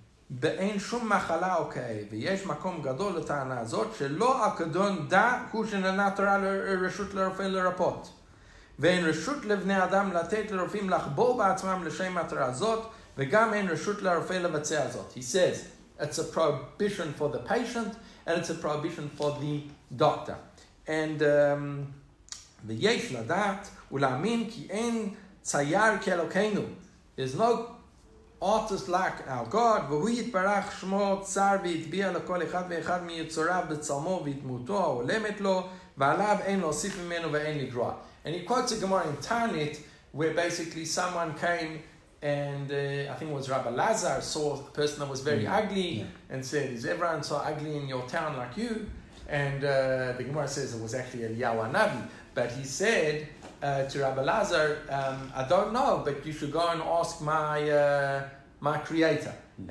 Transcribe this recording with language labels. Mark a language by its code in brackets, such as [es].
[he] באין שום מחלה או כאב. ויש מקום גדול לטענה הזאת שלא אקדון דע הוא שננה תורה לרשות לרופא לרפות. ואין רשות לבני אדם לתת לרופאים לחבור בעצמם לשם מטרה זאת. וגם אין רשות לרופא לבצע זאת. [en] He says, it's a prohibition for the patient, and it's a prohibition for the doctor. [he] And ויש לדעת ולהאמין כי אין צייר כאלוקנו. [en] There's no artist like our God. [he] והוא יתברך שמו צר והטביע לכל אחד ואחד מיצוריו בצלמו ודמותו העולמת לו, ועליו אין להוסיף ממנו ואין לגרוע. [en] And he quotes a Gemara in Tanit, where basically someone came and I think it was Rabbi Lazar saw a person that was very ugly and said, is everyone so ugly in your town like you? And the Gemara says it was actually Eliyahu HaNavi. But he said to Rabbi Lazar, I don't know, but you should go and ask my my creator. Mm-hmm.